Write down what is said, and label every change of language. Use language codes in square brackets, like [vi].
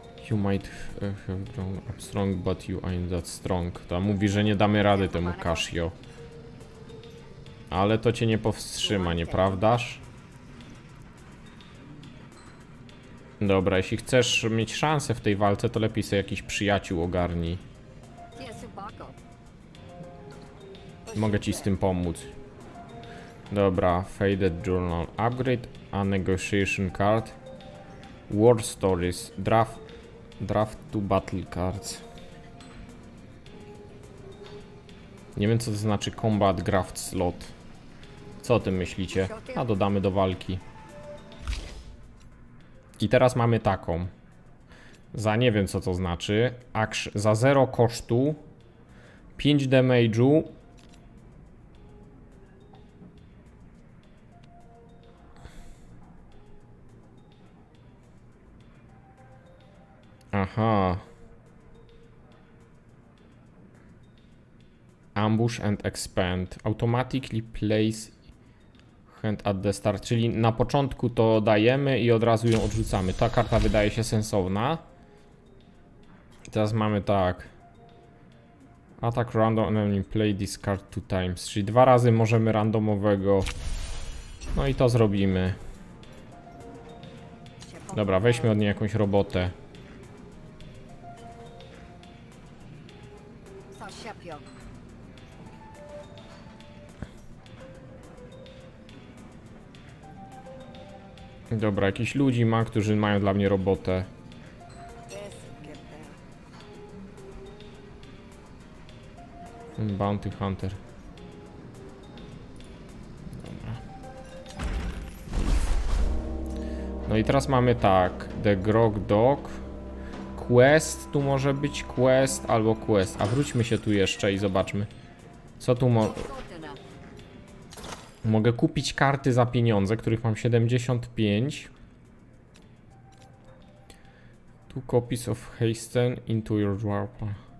[en] You might have grown up strong, but you ain't that strong. [pl] To mówi, że nie damy rady temu Cassio. Ale to cię nie powstrzyma, nieprawdaż? Dobra, jeśli chcesz mieć szansę w tej walce, to lepiej sobie jakiś przyjaciół ogarnij. Mogę ci z tym pomóc. [en] Dobra, Faded Journal Upgrade, a Negotiation Card, War Stories, Draft to Battle Cards. [pl] Nie wiem, co to znaczy Combat Draft Slot. Co o tym myślicie? A dodamy do walki. I teraz mamy taką. Za nie wiem, co to znaczy. Za 0 kosztu, 5 damage'u. Aha. [en] Ambush and expand. Automatically place hand at the start. [pl] Czyli na początku to dajemy i od razu ją odrzucamy. Ta karta wydaje się sensowna. Teraz mamy tak. [en] Attack random enemy, play this card 2 times. [pl] Czyli dwa razy możemy randomowego. No i to zrobimy. Dobra, weźmy od niej jakąś robotę. Dobra, jakiś ludzi ma, którzy mają dla mnie robotę. [en] Bounty Hunter. [pl] Dobra. No i teraz mamy tak, The Grog Dog. Quest, tu może być quest albo quest. A wróćmy się tu jeszcze i zobaczmy. Co tu mogę kupić karty za pieniądze, których mam 75. [en] Two copies of Hasten into your drawer.